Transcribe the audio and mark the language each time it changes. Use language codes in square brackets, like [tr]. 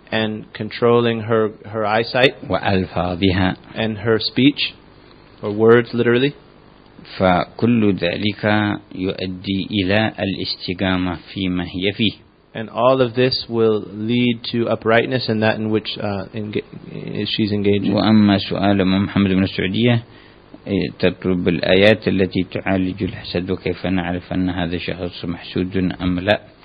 [en] And controlling her eyesight. [ar] وألفاظها. [en] And her speech, or words literally. [ar] فكل ذلك يؤدي إلى الاستقامة فيما هي فيه. [en] And all of this will lead to uprightness in that in which she's engaged. [ar] وأما سؤال محمد بن السعودية تطلب الآيات التي تعالج الحسد وكيف نعرف أن هذا شخص محسود أم لا.